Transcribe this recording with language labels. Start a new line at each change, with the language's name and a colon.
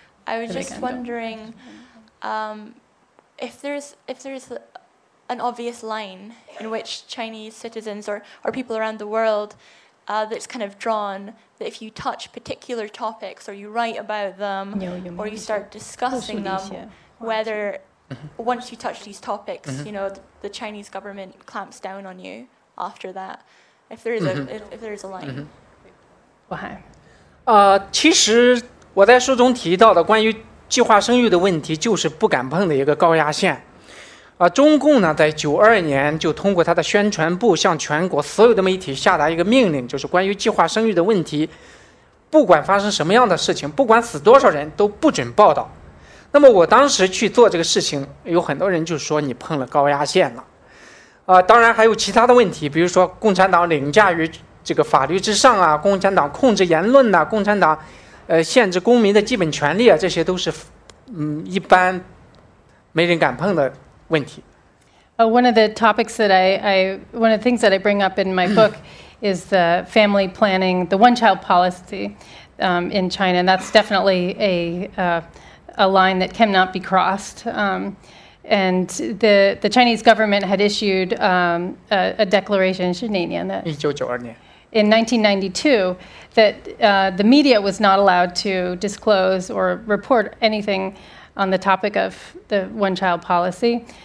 English: I was just wondering if there's an obvious line in which Chinese citizens or people around the world that's kind of drawn, that if you touch particular topics or you write about them or you start discussing them, whether once you touch these topics, you know, the Chinese government clamps down on you after that, if there is a line. Mm-hmm.
Chinese: 其实我在书中提到的关于计划生育的问题，就是不敢碰的一个高压线。中共呢，在92年就通过他的宣传部向全国所有的媒体下达一个命令，就是关于计划生育的问题，不管发生什么样的事情，不管死多少人，都不准报道。那么我当时去做这个事情，有很多人就说你碰了高压线了，当然还有其他的问题，比如说共产党凌驾于这个法律之上啊，共产党控制言论啊，共产党限制公民的基本权利啊，这些都是一般没人敢碰的问题。
English: One of the topics that one of the things that I bring up in my book is the family planning, the one-child policy, in China, and that's definitely a line that cannot be crossed. And the Chinese government had issued a declaration in 1992 that the media was not allowed to disclose or report anything on the topic of the one-child policy.